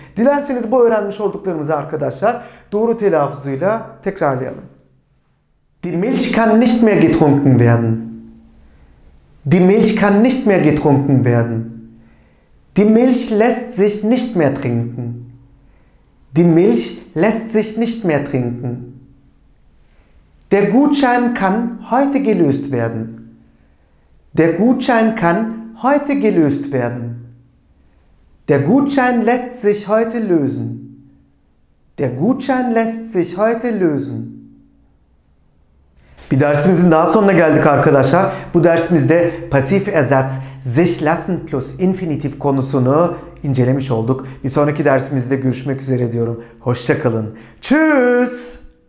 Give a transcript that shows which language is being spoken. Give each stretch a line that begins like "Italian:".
Turkish: Dilerseniz bu öğrenmiş olduklarımızı arkadaşlar doğru telaffuzuyla tekrarlayalım.
German: Die Milch kann nicht mehr getrunken werden. Die Milch kann nicht mehr getrunken werden. Die Milch lässt sich nicht mehr trinken. Die Milch lässt sich nicht mehr trinken. Der Gutschein kann heute gelöst werden. Der Gutschein kann heute gelöst werden. Der Gutschein lässt sich heute lösen. Der Gutschein lässt sich heute lösen.
Turkish: Bir dersimizin daha sonuna geldik arkadaşlar. Bu dersimizde pasif ersatz sich lassen plus infinitiv konusunu incelemiş olduk. Bir sonraki dersimizde görüşmek üzere diyorum. Hoşça kalın. Tschüss.